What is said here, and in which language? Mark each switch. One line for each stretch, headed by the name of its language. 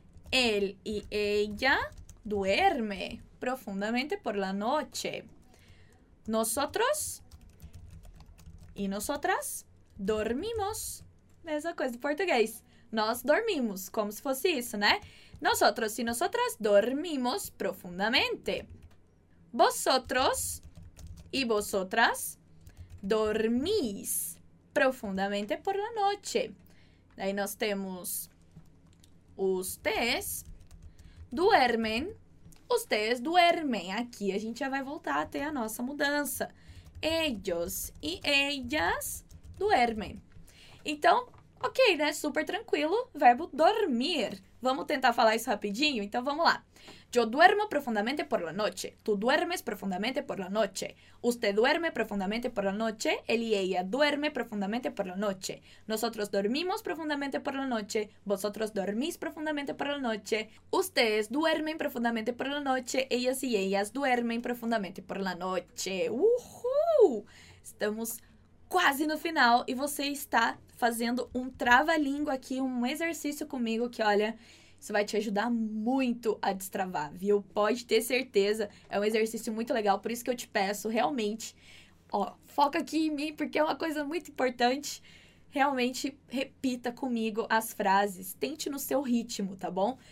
Spanish: Él y ella duerme profundamente por la noche. Nosotros y nosotras dormimos.
Portuguese: Mesma coisa do português. Nós dormimos, como se fosse isso, né?
Spanish: Nosotros y nosotras dormimos profundamente. Vosotros y vosotras dormís profundamente por la noche. Daí nós temos ustedes duermen. Ustedes duermen.
Portuguese: Aqui a gente já vai voltar a ter a nossa mudança.
Spanish: Ellos e ellas duermen.
Portuguese: Então, ok, né? Super tranquilo. Verbo dormir. Vamos tentar falar isso rapidinho? Então, vamos lá.
Spanish: Yo duermo profundamente por la noche. Tú duermes profundamente por la noche. Usted duerme profundamente por la noche. Él y ella duerme profundamente por la noche. Nosotros dormimos profundamente por la noche. Vosotros dormís profundamente por la noche. Ustedes duermen profundamente por la noche. Ellas y ellas duermen profundamente por la noche. Uhul!
Portuguese: Estamos quase no final e você está fazendo um trava-língua aqui, um exercício comigo que, olha, isso vai te ajudar muito a destravar, viu? Pode ter certeza, é um exercício muito legal, por isso que eu te peço, realmente, ó, foca aqui em mim, porque é uma coisa muito importante, realmente, repita comigo as frases, tente no seu ritmo, tá bom?